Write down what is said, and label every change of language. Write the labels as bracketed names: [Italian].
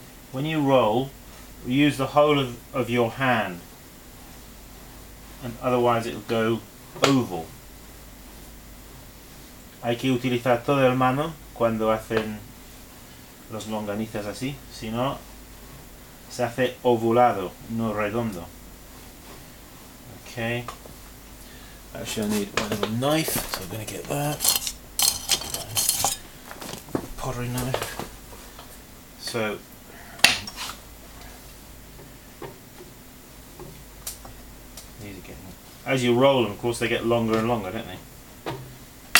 [English] When you roll, use the whole of your hand, and otherwise it'll go oval. [Spanish] Hay que utilizar todo el mano cuando hacen los longanizas así, si no, se hace ovulado, no redondo. [English] Okay. Actually, I need a little knife, so I'm going to get that. Pottery knife. So, these are getting, as you roll them, of course, they get longer and longer, don't they?